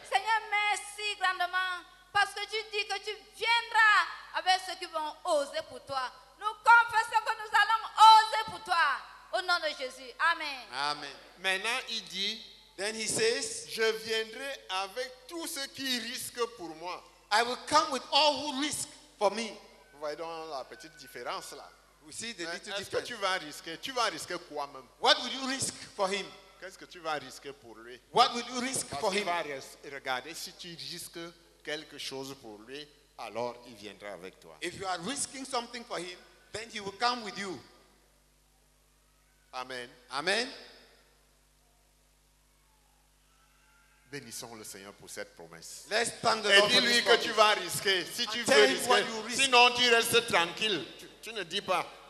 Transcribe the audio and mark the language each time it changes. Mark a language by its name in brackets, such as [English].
[French] Seigneur, merci grandement parce que tu dis que tu viendras avec ceux qui vont oser pour toi. Nous confessons que nous allons oser pour toi. Au nom de Jésus. Amen. Amen. Maintenant, il dit, [English] Then he says, [French] je viendrai avec tous ceux qui risquent pour moi. [English] I will come with all who risk for me. [French] Vous voyez donc la petite différence là. Vous voyez, des petites différences. Est-ce que tu vas risquer? Tu vas risquer quoi même? [English] What would you risk for him? [French] Qu'est-ce que tu vas risquer pour lui? [English] What would you risk for him? [French] Regardez, si tu risques quelque chose pour lui, alors il viendra avec toi. [English] If you are risking something for him, then he will come with you. [French] Amen. Amen. Bénissons le Seigneur pour cette promesse. [English] Let's thank the [French] Lord. Et dis-lui que tu vas risquer. Si tu veux risquer, sinon tu restes tranquille. Tu ne dis pas.